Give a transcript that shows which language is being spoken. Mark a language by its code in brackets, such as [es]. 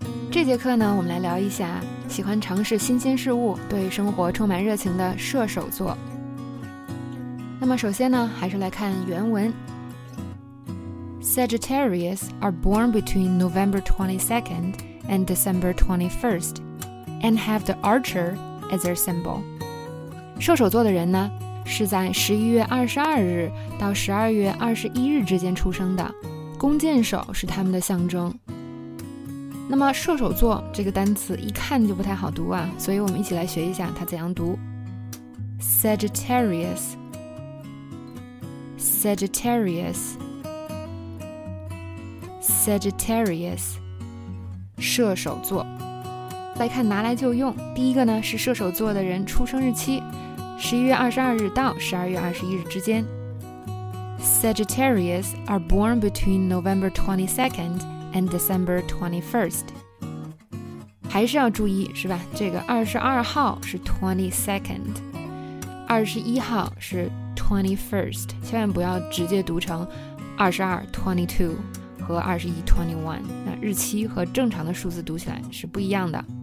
[zh] 这节课呢，我们来聊一下喜欢尝试新鲜事物、对生活充满热情的射手座。那么首先呢，还是来看原文。 [en] Sagittarius are born between November 22nd and December 21st and have the archer as their symbol. [zh] 射手座的人呢，是在11月22日到12月21日之间出生的，弓箭手是他们的象征。那么射手座这个单词一看就不太好读啊，所以我们一起来学一下它怎样读。 [en] Sagittarius Sagittarius Sagittarius [zh] 射手座。来看拿来就用，第一个呢是射手座的人出生日期，11月22日到12月21日之间。 [en] Sagittarius are born between November 22nd and December 21st。 [zh] 还是要注意是吧，这个22号是 22nd， 21号是 21st， 千万不要直接读成22 22和21 21， 那日期和正常的数字读起来是不一样的。